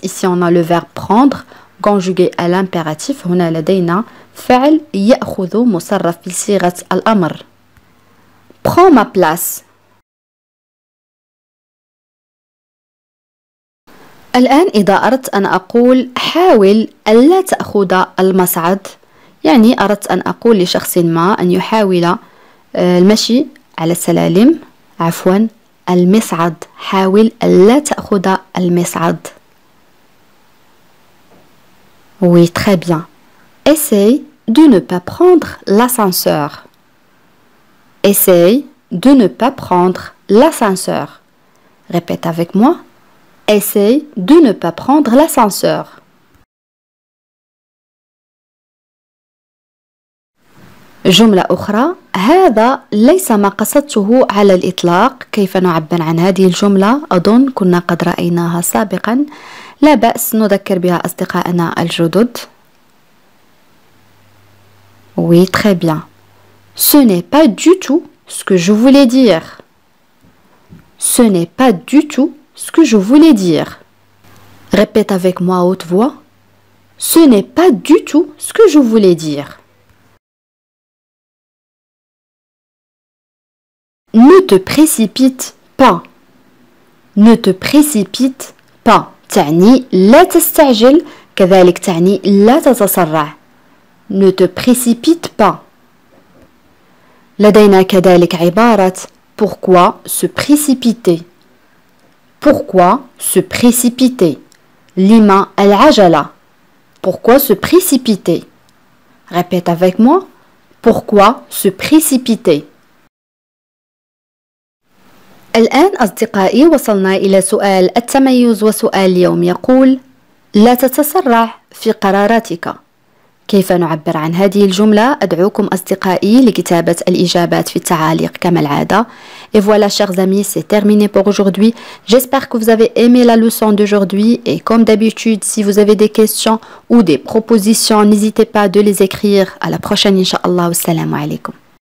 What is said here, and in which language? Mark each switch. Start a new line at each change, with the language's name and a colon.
French: Ici on a le verbe prendre conjugué à l'impératif.
Arabic: هنا لدينا فعل يأخذ مصرف في صيغة الأمر.
French: Prends ma place.
Arabic: الآن إذا أردت أن أقول حاول ألا تأخذ المصعد، يعني أردت أن أقول لشخص ما أن يحاول المشي على السلالم، عفوا المصعد، حاول ألا تأخذ المصعد.
French: Oui, très bien. Essaye de ne pas prendre l'ascenseur. Essaye de ne pas prendre l'ascenseur. Répète avec moi. Essaye de ne pas prendre l'ascenseur.
Arabic: جملة أخرى. هذا ليس ما قصدته على الإطلاق. كيف نعبر عن هذه الجملة؟ أظن كنا قد رأيناها سابقا. لا بأس نذكر بها أصدقائنا الجدد.
French: Oui, très bien. Ce n'est pas du tout ce que je voulais dire. Ce n'est pas du tout ce que je voulais dire. Répète avec moi à haute voix. Ce n'est pas du tout ce que je voulais dire. Ne te précipite pas. Ne te précipite pas.
Arabic: تعني لا تستعجل كذلك تعني لا تتسرع.
French: Ne te précipite pas.
Arabic: لدينا كذلك عبارة
French: pourquoi se précipiter. Pourquoi se précipiter?
Arabic: Lima al-ajala.
French: Pourquoi se précipiter? Répète avec moi. Pourquoi se précipiter?
Arabic: الآن أصدقائي وصلنا إلى سؤال التميز وسؤال اليوم يقول لا تتسرع في قراراتك. كيف نعبر عن هذه الجملة؟ أدعوكم أصدقائي لكتابة الإجابات في التعاليق كما العادة.
French: Et voilà, chers amis, c'est terminé pour aujourd'hui. J'espère que vous avez aimé la leçon d'aujourd'hui. Et comme d'habitude, si vous avez des questions ou des propositions, n'hésitez pas de les écrire. À la prochaine, inshallah. Wassalamu alaikum.